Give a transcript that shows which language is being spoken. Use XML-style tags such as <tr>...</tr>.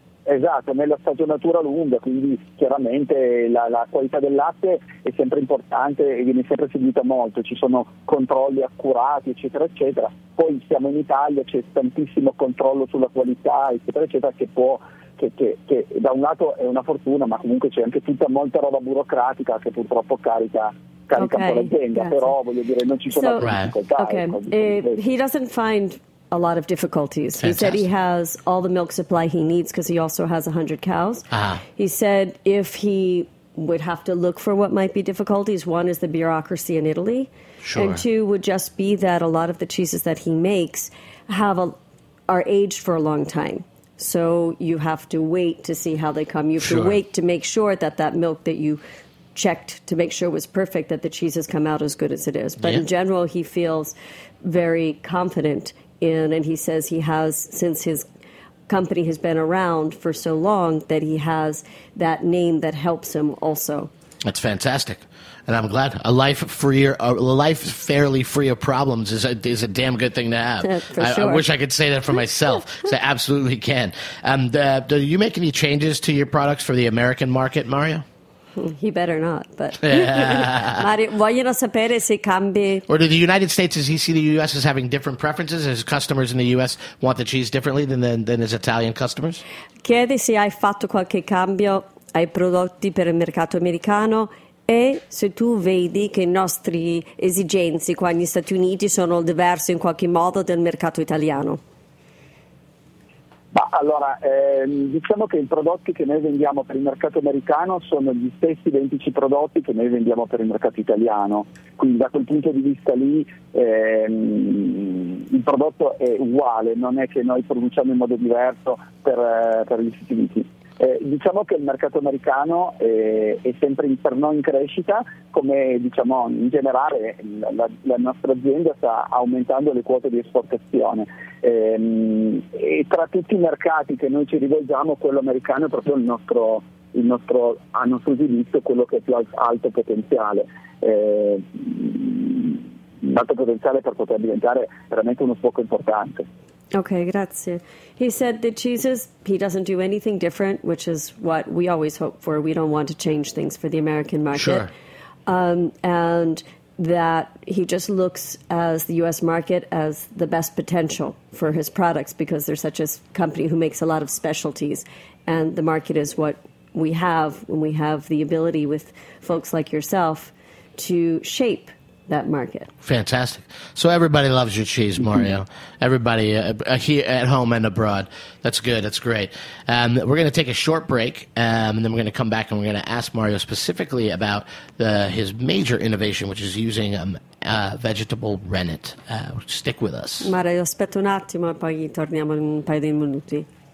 <it>Esatto, nella stagionatura lunga, quindi chiaramente la qualità del latte è sempre importante e viene sempre seguita molto, ci sono controlli accurati eccetera eccetera, poi siamo in Italia, c'è tantissimo controllo sulla qualità eccetera eccetera che da un lato è una fortuna, ma comunque c'è anche tutta molta roba burocratica che purtroppo carica</it> <en>okay,</en> <it>un po' l'azienda, grazie. Però voglio dire non ci sono difficoltà.</it> <en>Okay. He doesn't find a lot of difficulties. Fantastic. He said he has all the milk supply he needs because he also has 100 cows. Uh-huh. He said if he would have to look for what might be difficulties, one is the bureaucracy in Italy. Sure. And two would just be that a lot of the cheeses that he makes are aged for a long time. So you have to wait to see how they come. You have sure. to wait to make sure that milk that you checked to make sure it was perfect, that the cheese has come out as good as it is. But yeah. in general, he feels very confident and he says he has, since his company has been around for so long, that he has that name that helps him also. That's fantastic. And I'm glad. A life fairly free of problems is a damn good thing to have. For sure. I wish I could say that for myself. So I absolutely can. Do you make any changes to your products for the American market, Mario? He better not, but... Yeah.</en> <it>Mario, vogliono sapere se cambi...</it> <en>Or do the United States, does he see the U.S. as having different preferences? His customers in the U.S. want the cheese differently than his Italian customers?</en> <it>Chiedi se hai fatto qualche cambio ai prodotti per il mercato americano E se tu vedi che i nostri esigenze qua negli Stati Uniti sono diverse in qualche modo del mercato italiano? Ma allora, diciamo che i prodotti che noi vendiamo per il mercato americano sono gli stessi identici prodotti che noi vendiamo per il mercato italiano, quindi da quel punto di vista lì il prodotto è uguale, non è che noi produciamo in modo diverso per gli Stati Uniti. Diciamo che il mercato americano è sempre per noi in crescita, come diciamo in generale la nostra azienda sta aumentando le quote di esportazione. E tra tutti i mercati che noi ci rivolgiamo, quello americano è proprio il nostro a nostro giudizio, quello che è più alto potenziale. Alto potenziale per poter diventare veramente uno sbocco importante. Okay, grazie.</it> <en>He said the cheeses, he doesn't do anything different, which is what we always hope for. We don't want to change things for the American market. Sure. And that he just looks as the U.S. market as the best potential for his products because they're such a company who makes a lot of specialties. And the market is what we have when we have the ability with folks like yourself to shape that market. Fantastic. So everybody loves your cheese, Mario. Mm-hmm. Everybody here at home and abroad. That's good. That's great. We're going to take a short break, and then we're going to come back, and we're going to ask Mario specifically about his major innovation, which is using vegetable rennet. Stick with us.</en> <it>Mario, aspetta un attimo, poi torniamo in un paio di minuti.</it>